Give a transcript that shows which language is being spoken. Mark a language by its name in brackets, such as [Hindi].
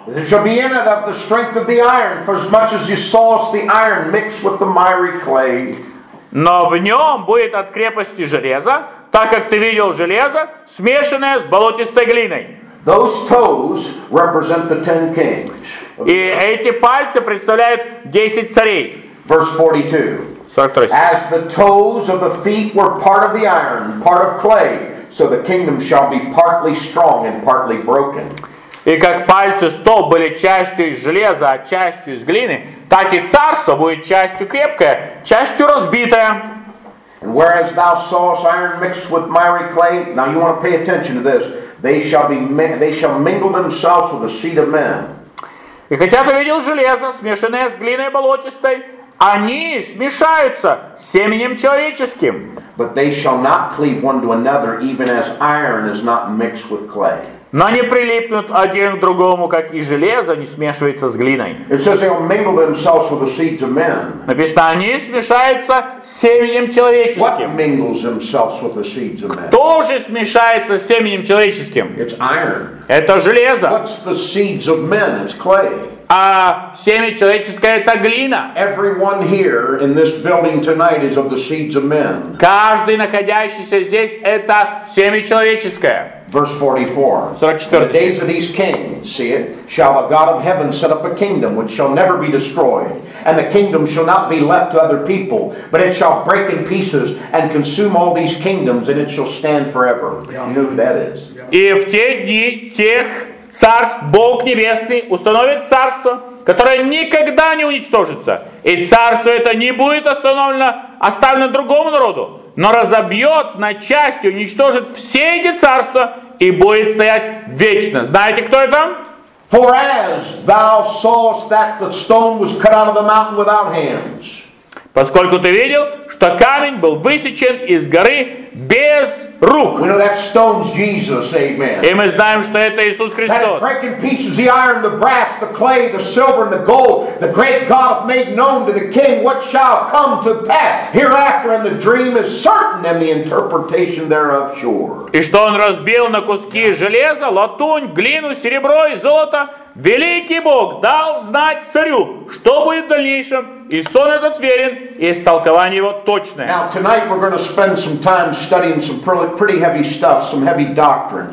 [English] There shall be in it of the strength of the iron, for as much as you sawest the iron mixed with the miry clay. [Russian] Но в нем будет от крепости железа, так как ты видел железо, смешанное с болотистой глиной. [English] Those toes represent the ten kings. [Russian] И эти пальцы представляют 10 царей. [English] Verse 42. As the toes of the feet were part of the iron, part of clay, so the kingdom shall be partly strong and partly broken. [Russian] И как пальцы стоп были частью из железа, а частью из глины, так и царство будет частью крепкое, частью разбитое. [English] And whereas thou sawest iron mixed with miry clay, now you want to pay attention to this. They shall mingle themselves with the seed of men. [Russian] И хотя ты видел железо, смешанное с глиной болотистой, они смешаются с семенем человеческим. [English] But they shall not cleave one to another, even as iron is not mixed with clay. [Russian] Но они прилипнут один к другому, как и железо не смешивается с глиной. [English] It says they will mingle themselves with the seeds of men. [Russian] Написано, они смешаются с семенем человеческим. [English] What mingles themselves with the seeds of men? [Russian] Кто же смешается с семенем человеческим? [English] It's iron. [Russian] Это железо. [English] What's the seeds of men? It's clay. [Russian] А семя человеческое — это глина. [English] Everyone here in this building tonight is of the seeds of men. [Russian] Каждый находящийся здесь — это семя человеческое. [English] Verse 44. In the days of these kings, see it, shall the God of heaven set up a kingdom which shall never be destroyed, and the kingdom shall not be left to other people, but it shall break in pieces and consume all these kingdoms, and it shall stand forever. Yeah. You know who that is. [Russian] И в те дни тех царств Бог Небесный установит царство, которое никогда не уничтожится. И царство это не будет остановлено, оставлено другому народу, но разобьет на части, уничтожит все эти царства и будет стоять вечно. Знаете, кто это? [English] For as thou sawest that the stone was cut out of the mountain without hands. [Russian] Поскольку ты видел, что камень был высечен из горы без рук. [English] We know that stone's Jesus, amen. [Russian] И мы знаем, что это Иисус Христос. [English] That it break in pieces the iron, the brass, the clay, the silver, and the gold. The great God made known to the king what shall come to pass hereafter, and the dream is certain, and the interpretation thereof sure. [Russian] И что он разбил на куски железо, латунь, глину, серебро и золото. Великий Бог дал знать царю, что будет в дальнейшем, и сон этот верен, и истолкование его точное. [English] Now, tonight we're going to spend some time studying some pretty heavy stuff, some heavy doctrine.